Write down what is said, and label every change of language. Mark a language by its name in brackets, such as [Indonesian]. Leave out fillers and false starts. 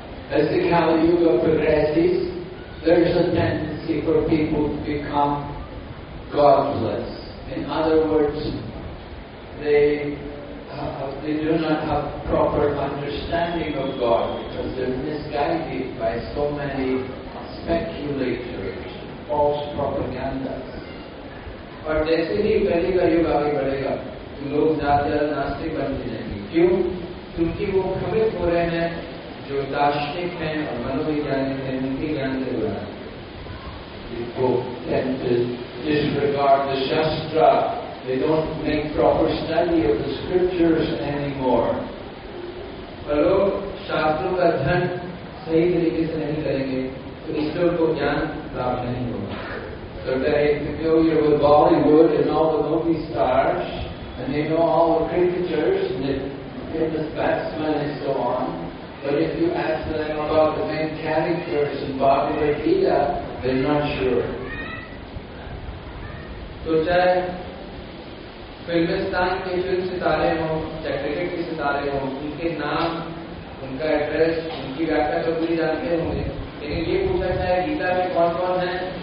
[English] As the Kali Yuga progresses, there is a tendency for people to become godless. In other words, they do not have proper understanding of God because they're misguided by so many speculators, false propagandas. [Hindi] और जैसे ही कली का युग आगे बढ़ेगा तो लोग ज्यादा नास्तिक बनते जाएंगे. क्यों? क्योंकि वो भ्रमित हो रहे हैं जो दार्शनिक हैं और मनोविज्ञानी हैं उनके ज्ञान से हुआ है. वो [English] disregard the shastra, they don't make proper study of the scriptures anymore. [Hindi] पर लोग शास्त्रों का अध्ययन सही तरीके से नहीं करेंगे तो ईश्वर को ज्ञान प्राप्त नहीं होगा. [English] So they're familiar with Bollywood and all the movie stars, and they know all the cricketers and the famous batsmen and so on. But if you ask them about the main characters in Bhagavad Gita, they're not sure. [Hindi] तो चाहे फिल्मिस्तान के film सितारे हों चाहे cricket के सितारे हों, उनके नाम, उनका एड्रेस, उनकी व्याख्या तो पूरी जानते होंगे, लेकिन ये पूछा जाए गीता में कौन कौन है.